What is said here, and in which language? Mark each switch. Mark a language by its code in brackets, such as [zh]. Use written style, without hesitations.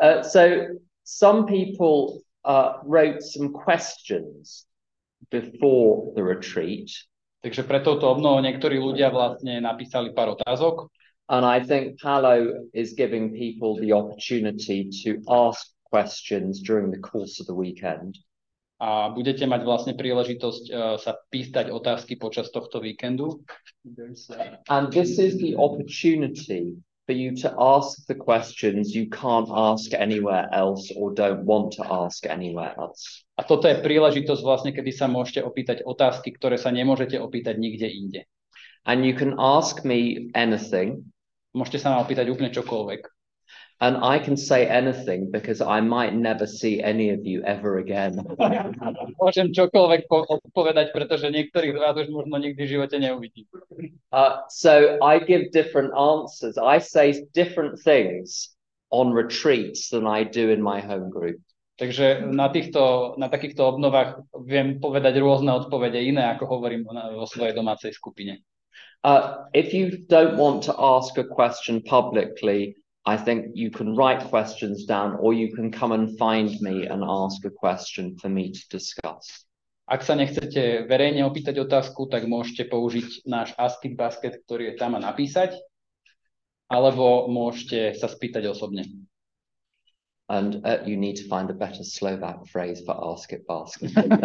[en] So some people wrote some questions before the retreat. [sk] Takže pre touto obnovu niektorí ľudia vlastne napísali pár otázok. [en] And I think Paolo is giving people the opportunity to ask questions during the course of the weekend. [sk] a budete mať vlastne príležitosť sa pýtať otázky počas tohto víkendu. [en] And this is the opportunity for you to ask the questions you can't ask anywhere else or don't want to ask anywhere else. [sk] A toto je príležitosť vlastne, kedy sa môžete opýtať otázky, ktoré sa nemôžete opýtať nikde inde. [en] And you can ask me anything. [sk] Môžete sa ma opýtať úplne čokoľvek. [en] And I can say anything because I might never see any of you ever again. [sk] Môžem čokoľvek povedať, pretože niektorých z vás už možno nikdy v živote neuvidím. [en] So I give different answers. I say different things on retreats than I do in my home group. [sk] Takže na takýchto obnovách viem povedať rôzne odpovede iné, ako hovorím vo svojej domácej skupine. [en] If you don't want to ask a question publicly, I think you can write questions down or you can come and find me and ask a question for me to discuss. [sk] Ak sa nechcete verejne opýtať otázku, tak môžete použiť náš [en] Asking Basket, [sk] ktorý je tam a napísať, alebo môžete sa spýtať osobne. [en] And you need to find a better Slovak phrase for ask it basket.